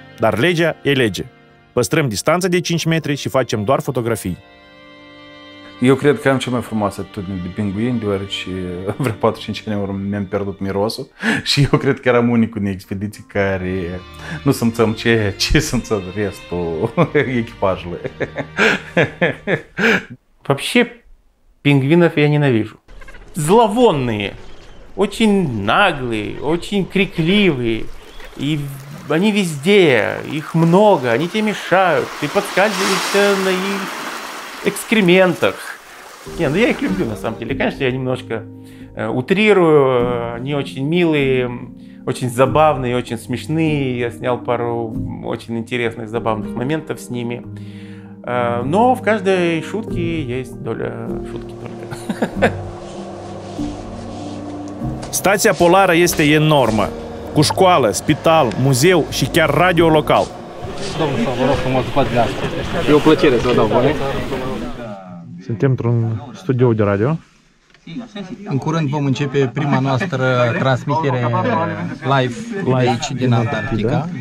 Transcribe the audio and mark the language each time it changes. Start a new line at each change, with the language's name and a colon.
Romanian: Dar legea e lege. Păstrăm distanța de 5 metri și facem doar fotografii. Eu cred că am cea mai frumoasă atitudine de pinguini, deoarece vreo 4-5 ani urmă mi-am pierdut mirosul. Și eu cred că eram unicul din expediție care nu simțăm ce simțăm restul echipajului.
Russian: Вообще, пингвинов я ненавижу. Зловонные, очень наглые, очень крикливые, и они везде, их много, они тебе мешают, ты подскальзываешься на их экскрементах. Не, ну я их люблю на самом деле, конечно, я немножко утрирую, они очень милые, очень забавные, очень смешные, я снял пару очень интересных, забавных моментов с ними, но в каждой шутке есть доля шутки только.
Romanian: Stația polară este enormă, cu școală, spital, muzeu și chiar radio local. Domnul, vă rog să mă ocupați de asta. E o plăcere să vă dau bani. Suntem într-un studio de radio. În curând vom începe prima noastră transmitere live aici, din Antarctica.